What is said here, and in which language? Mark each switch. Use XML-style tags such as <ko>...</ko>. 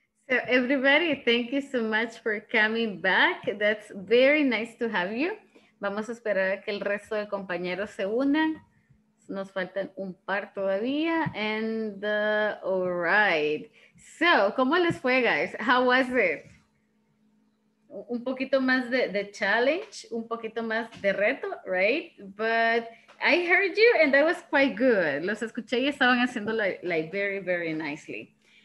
<en>So everybody, thank you so much for coming back. That's very nice to have you.</en> <es>Vamos a esperar a que el resto de compañeros se unan. Nos faltan un par todavía.</es> <en>And all right.</en> <es>So, ¿cómo les fue, guys?</es> <en>How was it?</en> <es>Un poquito más de challenge, un poquito más de reto, right?</es> <en>But I heard you and that was quite good.</en> <es>Los escuché y estaban haciendo</es> <en>like very, very nicely.</en>